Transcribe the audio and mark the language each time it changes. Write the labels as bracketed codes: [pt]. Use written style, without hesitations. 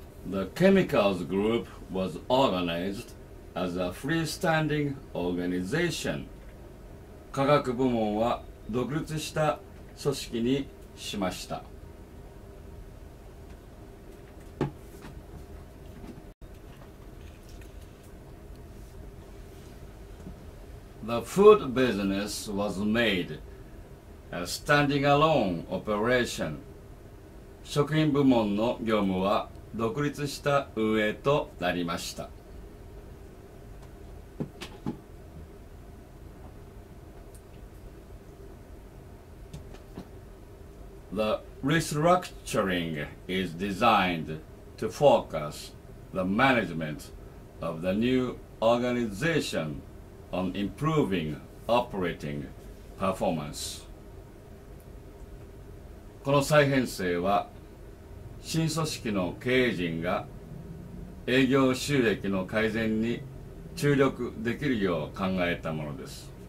[en] The Chemicals Group was organized as a freestanding organization. [ja] 化学部門は独立した組織にしました。 [en] The food business was made a standing alone operation. [ja] 食品部門の業務は独立した運営となりました。 [en] The restructuring is designed to focus the management of the new organization on improving operating performance. [ja] この再編成は新組織の経営陣が営業収益の改善に注力できるよう考えたものです。